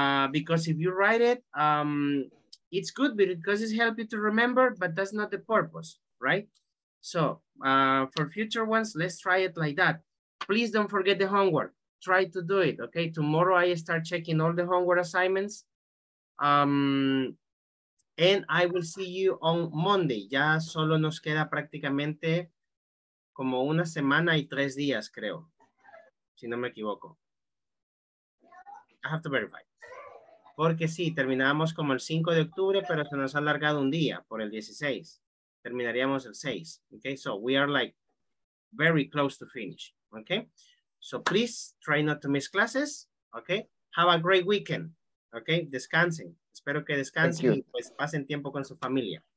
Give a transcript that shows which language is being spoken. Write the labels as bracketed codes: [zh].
[en] Because if you write it, it's good because it helps you to remember, but that's not the purpose, right? So for future ones, let's try it like that. Please don't forget the homework. Try to do it, okay? Tomorrow I start checking all the homework assignments. And I will see you on Monday. [es] Ya solo nos queda prácticamente como una semana y tres días, creo. Si no me equivoco. [en] I have to verify. [es] Porque sí, terminamos como el 5 de octubre, pero se nos ha alargado un día por el 16. Terminaríamos el 6. [en] Okay, so we are like very close to finish. Okay, so please try not to miss classes. Okay, have a great weekend. Okay, descansen. [es] Espero que descansen y pues pasen tiempo con su familia.